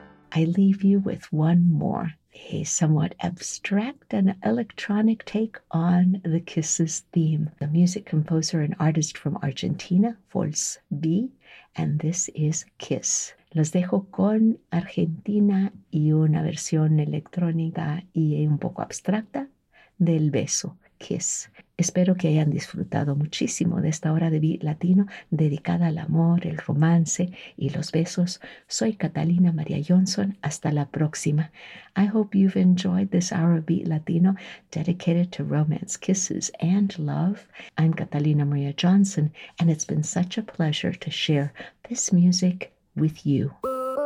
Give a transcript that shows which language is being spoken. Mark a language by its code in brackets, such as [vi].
[en] I leave you with one more, a somewhat abstract and electronic take on the Kisses theme. The music composer and artist from Argentina, Fols B, and this is Kiss. [es] Los dejo con Argentina y una versión electrónica y un poco abstracta del beso, Kiss. Espero que hayan disfrutado muchísimo de esta hora de Beat Latino dedicada al amor, el romance y los besos. Soy Catalina María Johnson. Hasta la próxima. [en] I hope you've enjoyed this hour of Beat Latino dedicated to romance, kisses, and love. I'm Catalina María Johnson, and it's been such a pleasure to share this music with you.